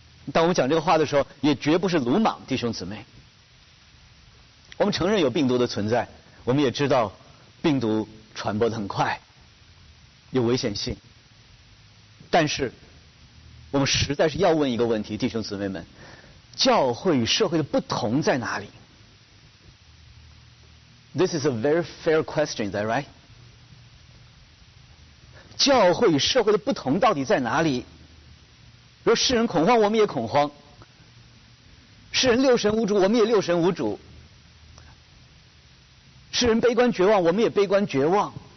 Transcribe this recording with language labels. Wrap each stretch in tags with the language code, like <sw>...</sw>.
<zh>当我们讲这个话的时候，也绝不是鲁莽，弟兄姊妹，我们承认有病毒的存在，我们也知道病毒传播得很快，有危险性，但是我们实在是要问一个问题，弟兄姊妹们，教会与社会的不同在哪里？</zh> <en>This is a very fair question, is that right?</en> <zh>教会与社会的不同到底在哪里？说世人恐慌，我们也恐慌；世人六神无主，我们也六神无主； 世人悲观绝望，我们也悲观绝望。</zh>